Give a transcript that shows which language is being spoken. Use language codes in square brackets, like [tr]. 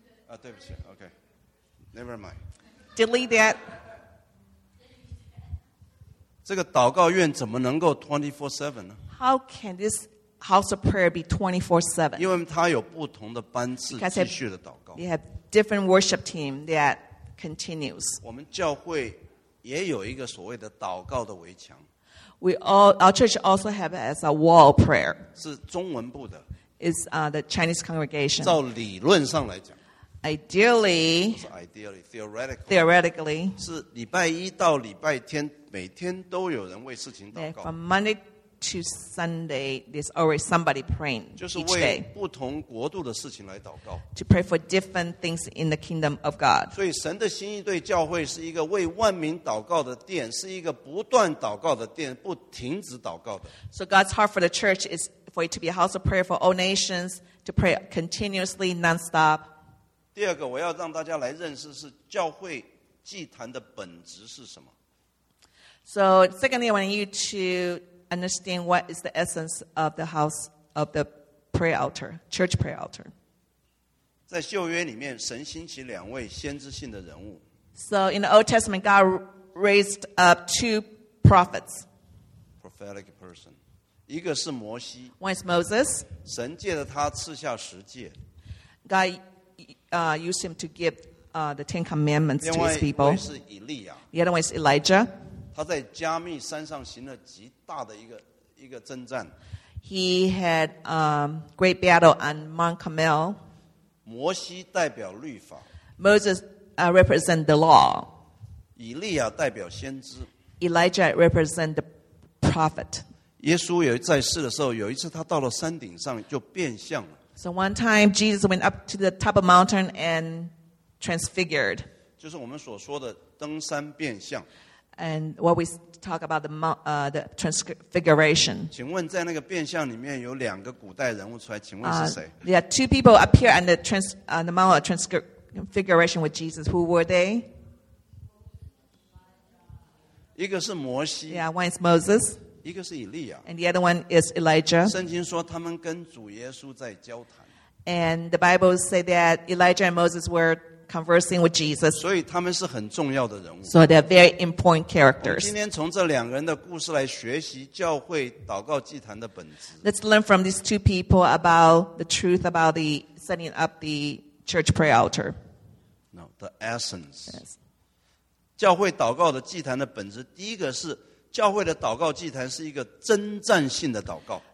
[zh] 啊、对不起 [en] OK Never mind Delete that [zh] 这个祷告院怎么能够 24/7 呢 [en] How can this house of prayer be 24/7 [zh] 因为它有不同的班次继续的祷告 [en] They have different worship team that continues [zh] 我们教会也有一个所谓的祷告的围墙 [en] Our church also have it as a wall prayer [zh] 是中文部的 [en] It's the Chinese congregation [zh] 照理论上来讲 [en] Ideally, theoretically, [zh] 是礼拜一到礼拜天，每天都有人为事情祷告。 [en] From Monday to Sunday, there's always somebody praying each day. [zh] 就是为不同国度的事情来祷告。 [en] To pray for different things in the kingdom of God. [zh] 所以神的心意对教会是一个为万民祷告的殿，是一个不断祷告的殿，不停止祷告的。 [en] So God's heart for the church is for it to be a house of prayer for all nations to pray continuously, nonstop. [zh] 第二个，我要让大家来认识是教会祭坛的本质是什么。 [en] So secondly, I want you to understand what is the essence of the house of the prayer altar, church prayer altar. [zh] 在旧约里面，神兴起两位先知性的人物。 [en] So in the Old Testament, God raised up two prophets. Prophetic person. [zh] 一个是摩西。 [en] One is Moses. [zh] 神借着他赐下十诫。 [en] God used him to give the Ten Commandments to his people. [zh] 是以利亚。 [en] The other one is Elijah. [zh] 他在加密山上行了极大的一个征战。 [en] He had a great battle on Mount Carmel. [zh] 摩西代表律法。 [en] Moses represent the law. [zh] 以利亚代表先知。 [en] Elijah represent the prophet. [zh] 耶稣也在世的时候，有一次他到了山顶上就变相了。 [en] So one time Jesus went up to the top of mountain and transfigured. [zh] 就是我们所说的登山变相。 [en] And what we talk about the transfiguration. [zh] 请问在那个变相里面有两个古代人物出来，请问是谁？ [en] There are two people appear on the Mount of Transfiguration with Jesus. Who were they? [zh] 一个是摩西。 [en] Yeah, one is Moses. [zh] 一个是以利亚。 [en] And the other one is Elijah. [zh] 圣经说他们跟主耶稣在交谈。 [en] And the Bible say that Elijah and Moses were conversing with Jesus. [zh] 所以他们是很重要的人物。 [en] So they're very important characters. [zh] 今天从这两个人的故事来学习教会祷告祭坛的本质。 [en] Let's learn from these two people about the truth about the setting up the church prayer altar. No, the essence. Yes. [zh] 教会祷告的祭坛的本质，第一个是教会的祷告祭坛是一个征战性的祷告。